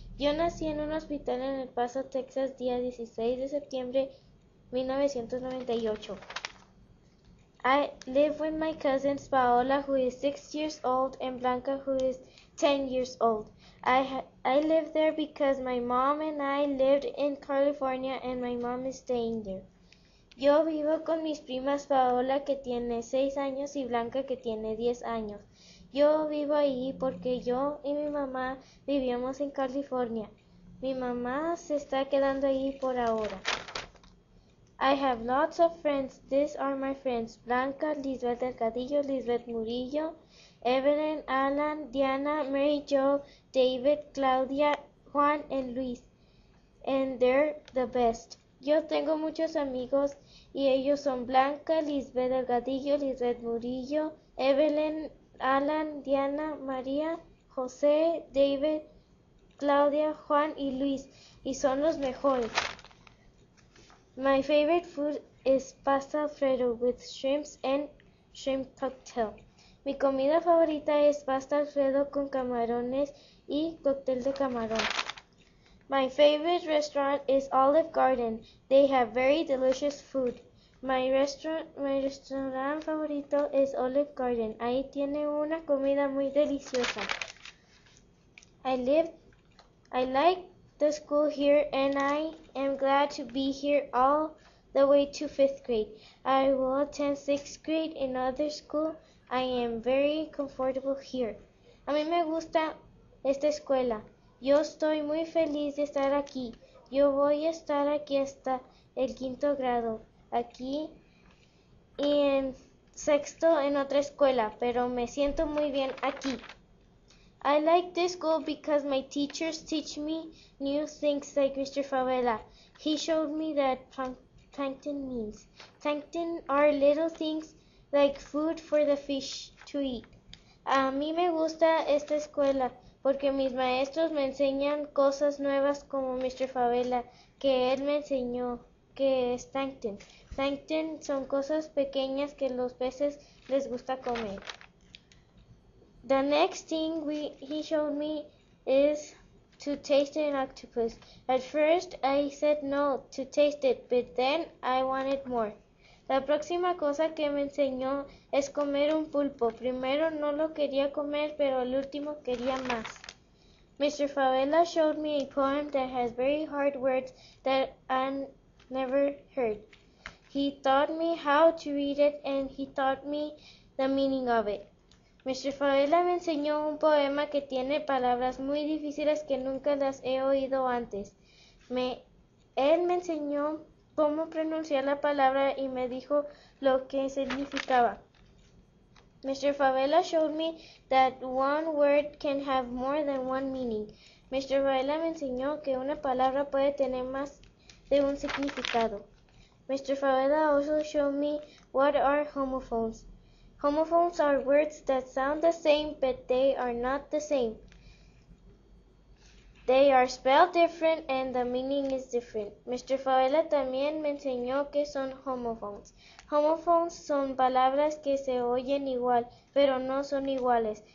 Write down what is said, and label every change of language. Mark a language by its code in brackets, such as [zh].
[es] Yo nací en un hospital en El Paso, Texas, día 16 de septiembre 1998. [en] I live with my cousins Paola, who is 6 years old, and Blanca, who is 10 years old. I live there because my mom and I lived in California, and my mom is staying there. [es] Yo vivo con mis primas Paola, que tiene 6 años, y Blanca, que tiene 10 años. Yo vivo ahí porque yo y mi mamá vivimos en California. Mi mamá se está quedando ahí por ahora. [en] I have lots of friends. These are my friends. Blanca, Lisbeth Delgadillo, Lisbeth Murillo, Evelyn, Alan, Diana, Mary Jo, David, Claudia, Juan, and Luis. And they're the best. [es] Yo tengo muchos amigos y ellos son Blanca, Lisbeth Delgadillo, Lisbeth Murillo, Evelyn, Alan, Diana, María, José, David, Claudia, Juan, y Luis, y son los mejores. [en] My favorite food is pasta alfredo with shrimps and shrimp cocktail. [es] Mi comida favorita es pasta alfredo con camarones y cóctel de camarón. [en] My favorite restaurant is Olive Garden. They have very delicious food. My restaurant [es] favorito es Olive Garden. Ahí tiene una comida muy deliciosa. [en] I like the school here, and I am glad to be here all the way to fifth grade. I will attend sixth grade in other school. I am very comfortable here. [es] A mí me gusta esta escuela. Yo estoy muy feliz de estar aquí. Yo voy a estar aquí hasta el quinto grado. Aquí y en sexto en otra escuela, pero me siento muy bien aquí. [en] I like this school because my teachers teach me new things like Mr. Favela. He showed me that plankton means. Plankton are little things like food for the fish to eat. [es] A mí me gusta esta escuela porque mis maestros me enseñan cosas nuevas como Mr. Favela, que él me enseñó. Que es plankton. Plankton son cosas pequeñas que los peces les gusta comer. [en] The next thing he showed me is to taste an octopus. At first I said no to taste it, but then I wanted more. [es] La próxima cosa que me enseñó es comer un pulpo. Primero no lo quería comer, pero al último quería más. [en] Mr. Favela showed me a poem that has very hard words that never heard. He taught me how to read it and he taught me the meaning of it. Mr. [es] Favela me enseñó un poema que tiene palabras muy difíciles que nunca las he oído antes. Él me enseñó cómo pronunciar la palabra y me dijo lo que significaba. [en] Mr. Favela showed me that one word can have more than one meaning. Mr. [es] Favela me enseñó que una palabra puede tener más de un significado. [en] Mr. Favela also showed me what are homophones. Homophones are words that sound the same, but they are not the same. They are spelled different and the meaning is different. [es] Mr. Favela también me enseñó qué son homophones. Homophones son palabras que se oyen igual, pero no son iguales.